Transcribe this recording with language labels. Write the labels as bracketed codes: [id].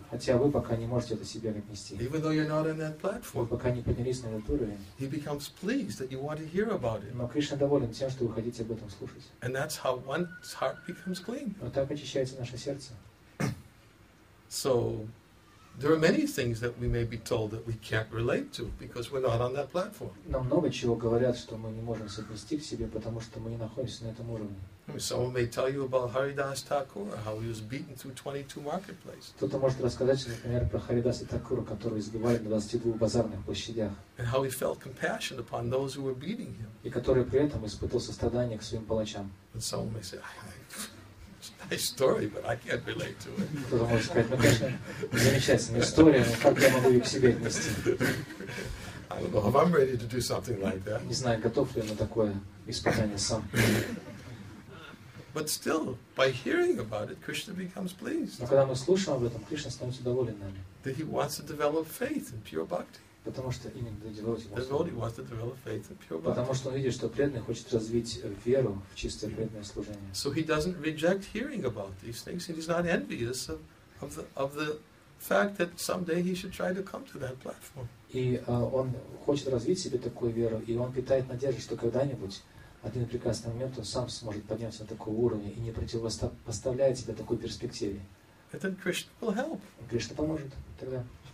[ru] Хотя вы пока не можете это себе отнести. [en] Even though you're not on that platform. [ru] Вы пока не поднялись на этот уровень. [en] He becomes pleased that you want to hear about it. [ru] Но Кришна доволен тем, что вы хотите об этом слушать. [en] And that's how one's heart becomes clean. [ru] Вот так очищается наше сердце. [en] So there are many things that we may be told that we can't relate to because we're not on that platform. [ru] Нам много чего говорят, что мы не можем соотнести к себе, потому что мы не находимся на этом уровне. [en] Someone may tell you about Haridas Thakur, how he was beaten through 22 marketplaces. [ru] Кто-то может рассказать, например, про Харидаса Такура, которого избивали на 22 базарных площадях. [en] And how he felt compassion upon those who were beating him. [ru] И который при этом испытывал сострадание к своим палачам. [en] And someone may say, nice story, but I can't relate to it. [ru] Кто-то может сказать, ну, конечно, замечательная история, но как я могу ее к себе отнести? [en] I don't know if I'm ready to do something like that. [ru] Не знаю, готов ли я на такое испытание сам. [en] But still, by hearing about it, Krishna becomes pleased. [ru] Но когда мы слушаем об этом, Кришна становится доволен нами. [en] That he wants to develop faith in pure bhakti. [ru] Потому что именно [en] devotee wants to develop faith in pure bhakti. [ru] Потому что он видит, что преданный хочет развить веру в чистое преданное служение. [en] So he doesn't reject hearing about these things, and he's not envious of the fact that someday he should try to come to that platform. [ru] И он хочет развить себе такую веру, и он питает надежду, что когда-нибудь один прекрасный момент он сам сможет подняться на такой уровень и не противопоставляет себя такой перспективе. [en] And then Krishna will help. [ru] Кришна поможет тогда.